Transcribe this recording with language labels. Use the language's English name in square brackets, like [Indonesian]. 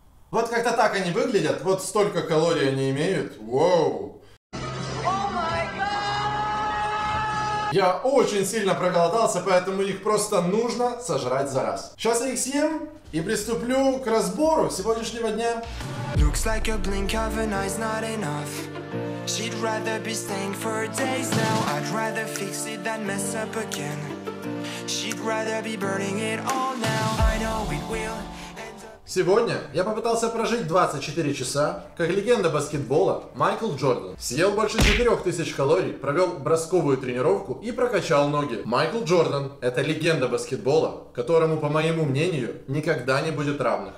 [Russian] Вот как-то так они выглядят, вот столько калорий они имеют. Воу! Я очень сильно проголодался, поэтому их просто нужно сожрать за раз. Сейчас я их съем и приступлю к разбору сегодняшнего дня. [English] Looks like a blink of an eye's not enough. She'd rather be staying for days now. I'd rather fix it than mess up again. She'd rather be burning it all now. I know we will. [Russian] Сегодня я попытался прожить 24 часа, как легенда баскетбола Майкл Джордан. Съел больше 4000 калорий, провел бросковую тренировку и прокачал ноги. Майкл Джордан – это легенда баскетбола, которому, по моему мнению, никогда не будет равных.